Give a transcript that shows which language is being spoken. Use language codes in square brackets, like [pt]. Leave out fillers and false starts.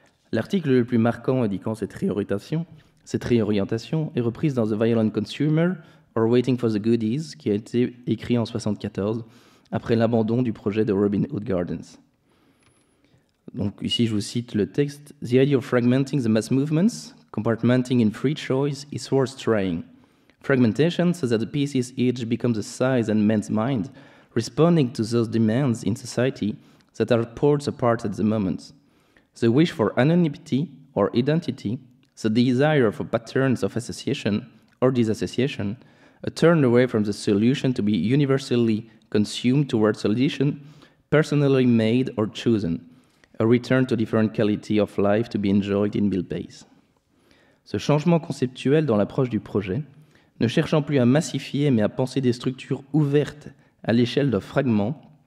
[fr] L'article le plus marquant indiquant cette réorientation est reprise dans The Violent Consumer or Waiting for the Goodies, qui a été écrit en 1974, après l'abandon du projet de Robin Hood Gardens. Donc ici, je vous cite le texte. [en] « The idea of fragmenting the mass movements, compartmenting in free choice, is worth trying. Fragmentation so that the pieces each become the size and man's mind, responding to those demands in society that are pulled apart at the moment. The wish for anonymity or identity, the desire for patterns of association or disassociation, a turn away from the solution to be universally consumed towards solution, personally made or chosen, a return to different quality of life to be enjoyed in built base. » [fr] Ce changement conceptuel dans l'approche du projet, ne cherchant plus à massifier mais à penser des structures ouvertes à l'échelle d'un fragment,